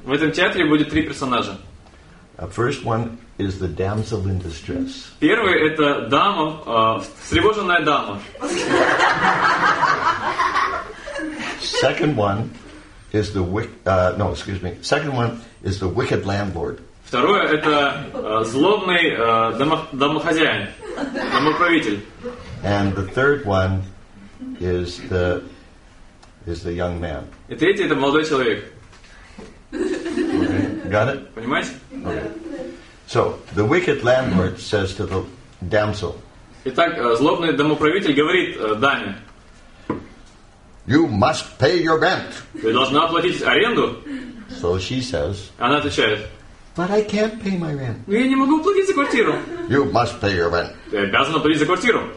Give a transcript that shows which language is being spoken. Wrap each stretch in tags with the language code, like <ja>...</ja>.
<ru>В этом театре будет 3 персонажа.</ru> <en>First one is the damsel in distress.</en> <ru>Первый это дама, встревоженная дама.</ru> <en>Second one is the Second one is the wicked landlord.</en> <ru>Второе это злобный домохозяин, домоправитель.</ru> <en>And the third one is the young man.</en> <ru>И третий это молодой человек.</ru> <en>Okay. Got it?</en> <ru>Понимаете?</ru> <en>Okay. So the wicked landlord says to the damsel.</en> <ru>Итак, злобный домоправитель говорит даме.</ru> <en>You must pay your rent.</en> <ru>Вы должны оплатить аренду.</ru> <en>So she says.</en> <ru>Она отвечает.</ru> <en>But I can't pay my rent.</en> <ru>Но я не могу платить за квартиру.</ru> <en>You must pay your rent.</en> <ru>Ты обязана платить за квартиру.</ru>